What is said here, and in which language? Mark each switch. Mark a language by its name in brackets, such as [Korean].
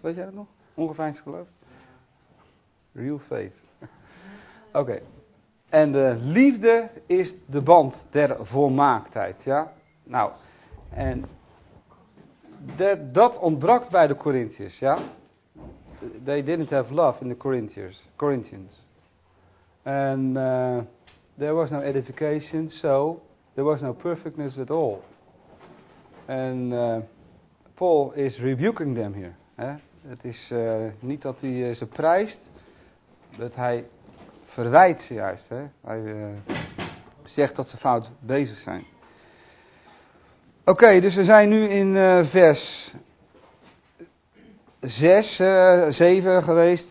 [Dutch] Weet jij dat nog? Ongeveinsd geloof? [English] Real faith. [Dutch] Oké. Okay. En de liefde is de band der volmaaktheid, ja. Nou, en dat ontbrak bij de Corinthiërs, ja. [English] They didn't have love in the Corinthians. And there was no edification, so there was no perfectness at all. En Paul is rebuking them here. Hè? [Dutch] Het is niet dat hij ze prijst, dat hij verwijt ze juist. Hè? Hij zegt dat ze fout bezig zijn. Oké, dus we zijn nu in vers 6, 7 geweest.